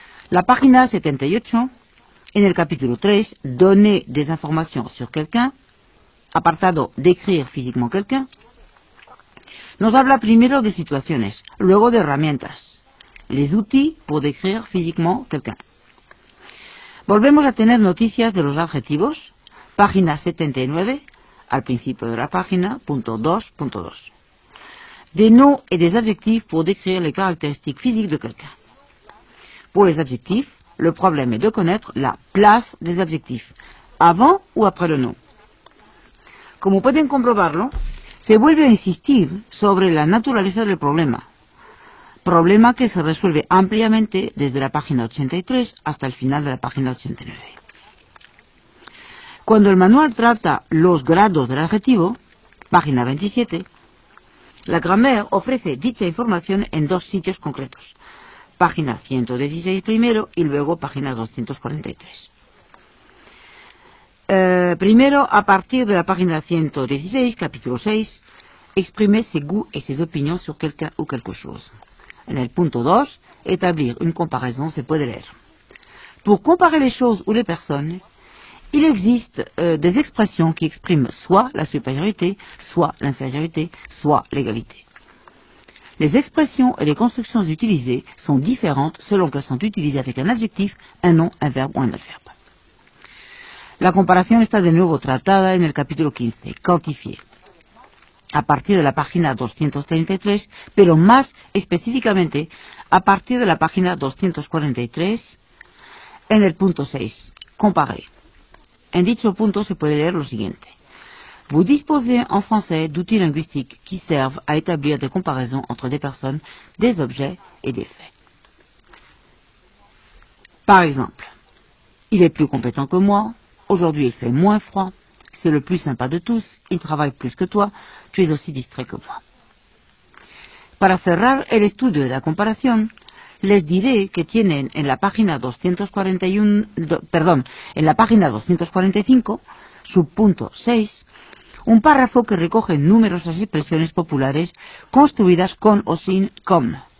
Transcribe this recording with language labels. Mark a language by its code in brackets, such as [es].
[es] La página 78, en el capítulo 3, donner des informations sur quelqu'un, apartado décrire físicamente a quelqu'un, nos habla primero de situaciones, luego de herramientas, [fr] les outils pour décrire physiquement quelqu'un. [es] Volvemos a tener noticias de los adjetivos, página 79, al principio de la página, punto 2.2. [fr] Des noms et des adjectifs pour décrire les caractéristiques physiques de quelqu'un. Pour les adjectifs, le problème est de connaître la place des adjectifs, avant ou après le nom. [es] Como pueden comprobarlo, se vuelve a insistir sobre la naturaleza del problema, problema que se resuelve ampliamente desde la página 83 hasta el final de la página 89. Cuando el manual trata los grados del adjetivo, página 27, la grammaire ofrece dicha información en dos sitios concretos, página 116 primero y luego página 243. Primero, a partir de la página 116, capítulo 6, exprime ses goûts et ses opinions sur quelqu'un ou quelque chose. En el punto 2, établir une comparaison se puede leer. [fr] Pour comparer les choses ou les personnes, il existe des expressions qui expriment soit la supériorité, soit l'infériorité, soit l'égalité. Les expressions et les constructions utilisées sont différentes selon qu'elles sont utilisées avec un adjectif, un nom, un verbe ou un adverbe. [es] La comparación está de nuevo tratada en el capítulo 15, quantifier, a partir de la página 233, pero más específicamente a partir de la página 243, en el punto 6, comparer. En dicho punto se puede leer lo siguiente. [fr] Vous disposez en français d'outils linguistiques qui servent à établir des comparaisons entre des personnes, des objets et des faits. Par exemple, il est plus compétent que moi. Aujourd'hui, il fait moins froid. C'est le plus sympa de tous. Il travaille plus que toi. Tu es aussi distrait que moi. [es] Para cerrar el estudio de la comparación, les diré que tienen en la página 245, subpunto 6, un párrafo que recoge numerosas expresiones populares construidas con o sin com.